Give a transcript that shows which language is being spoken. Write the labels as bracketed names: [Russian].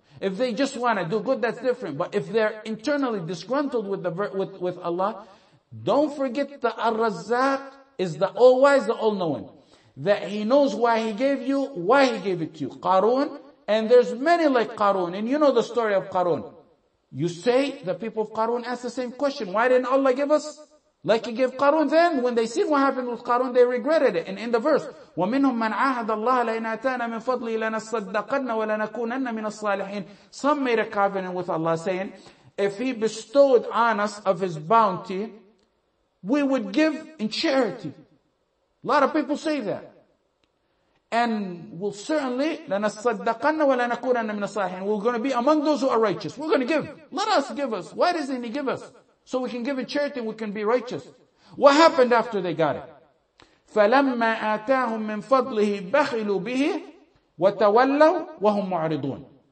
[English] If they just want to do good, that's different. But if they're internally disgruntled with Allah, don't forget the Ar-Razzaq is the all-wise, the all-knowing. That he knows why he gave you, why he gave it to you. Qarun, and there's many like Qarun, and you know the story of Qarun. You say, the people of Qarun ask the same question, why didn't Allah give us like he gave Qarun? Then, when they seen what happened with Qarun, they regretted it. And in the verse, [Arabic] وَمِنْهُمْ مَنْ عَاهَدَ اللَّهَ لَإِنْ أَتَانَا مِنْ فَضْلِهِ لَنَصَّدَّقَنَّ وَلَنَكُونَنَّ مِنَ الصَّالِحِينَ. [English] Some made a covenant with Allah saying, if he bestowed on us of his bounty, we would give in charity. A lot of people say that. And we'll certainly, [Arabic] لَنَصَّدَّقَنَّ وَلَنَكُونَنَّ مِنَ الصَّالِحِينَ. [English] We're going to be among those who are righteous. We're going to give. Let us give us. Why doesn't he give us? So we can give in charity, we can be righteous. What happened after they got it? [Arabic] فَلَمَّا آتَاهُم مِّن فَضْلِهِ بَخِلُوا بِهِ وَتَوَلَّوْا وَهُمْ مُعْرِضُونَ.